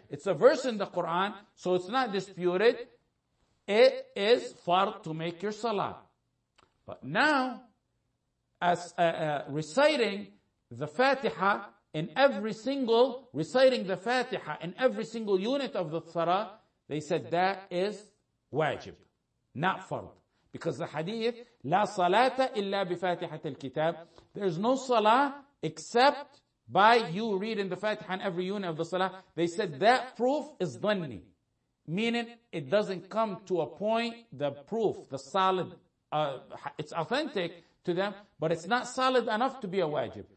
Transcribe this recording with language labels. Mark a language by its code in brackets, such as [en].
[en] It's a verse in the Quran, so it's not disputed. It is fard to make your salah. But now, as reciting the Fatiha in every single, reciting the Fatiha in every single unit of the salah, they said that is wajib, not fard. Because the hadith, [ar] لا صلاة إلا بفاتحة الكتاب. [en] There's no salah except by you reading the Fatiha and every unit of the salah. They said that proof is dhanni. Meaning it doesn't come to a point, the proof, the solid, it's authentic to them, but it's not solid enough to be a wajib.